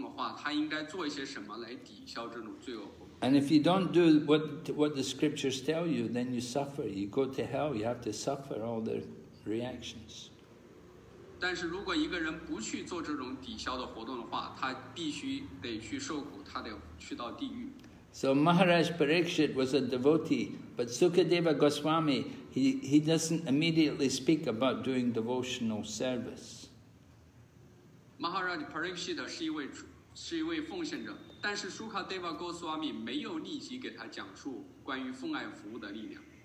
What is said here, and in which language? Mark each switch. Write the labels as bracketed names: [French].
[Chinese] 这些都在Manu Samhita的这些经典中描述到，比如说一个人做了罪恶活动的话，他应该做一些什么来抵消这种罪恶活动。 [English] And if you don't do what the scriptures tell you, then you suffer. You go to hell. You have to suffer all the reactions. [Chinese] 但是如果一个人不去做这种抵消的活动的话，他必须得去受苦，他得去到地狱。 [English] So Maharaj Parikshit was a devotee, but Sukadeva Goswami, he doesn't immediately speak about doing devotional service. [Chinese] Maharaj Parikshit 是一位奉献者，但是 Sukadeva Goswami 没有立即给他讲述关于奉爱服务的力量。